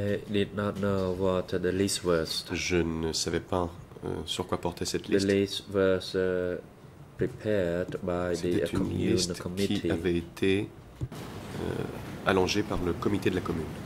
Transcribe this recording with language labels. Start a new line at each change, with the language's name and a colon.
English: Did not know what the list was.
French: Je ne savais pas sur quoi portait cette liste.
English: The list was prepared by the commune committee.
French: Qui avait été allongée par le comité de la commune.